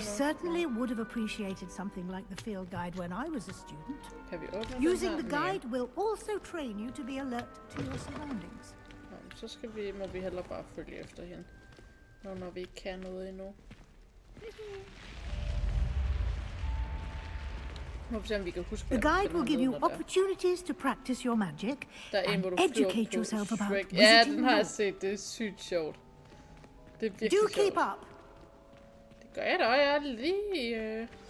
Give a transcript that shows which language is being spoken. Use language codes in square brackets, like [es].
[en] certainly would have appreciated something like the field guide when I was a student. [da] Kan vi åbne [en] using the guide will also train you to be alert to your surroundings. [da] Så skal vi, må vi heller bare følge efter hende. Når vi ikke kan noget endnu. [en] The guide will give you opportunities to practice your magic and educate yourself about visiting [da] Hogwarts. Ja, den har jeg set. Det er sygt sjovt. Det er virkelig sjovt. Det gør jeg da, og jeg er lige...